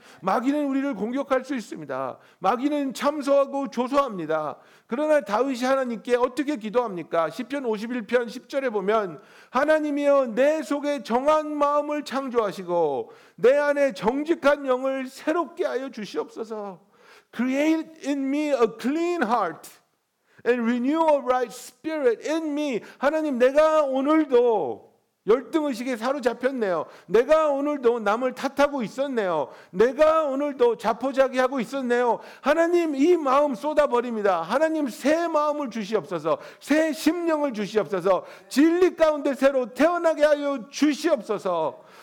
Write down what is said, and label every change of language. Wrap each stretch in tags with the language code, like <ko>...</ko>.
<ko>마귀는 우리를 공격할 수 있습니다. 마귀는 참소하고 조소합니다. 그러나 다윗이 하나님께 어떻게 기도합니까? 시편 51편 10절에 보면 하나님이여 내 속에 정한 마음을 창조하시고 내 안에 정직한 영을 새롭게 하여 주시옵소서.</ko> <en>Create in me a clean heart and renew a right spirit in me.</en> <ko>하나님 내가 오늘도 열등의식에 사로잡혔네요. 내가 오늘도 남을 탓하고 있었네요. 내가 오늘도 자포자기하고 있었네요. 하나님 이 마음 쏟아버립니다. 하나님 새 마음을 주시옵소서. 새 심령을 주시옵소서. 진리 가운데 새로 태어나게 하여 주시옵소서.</ko>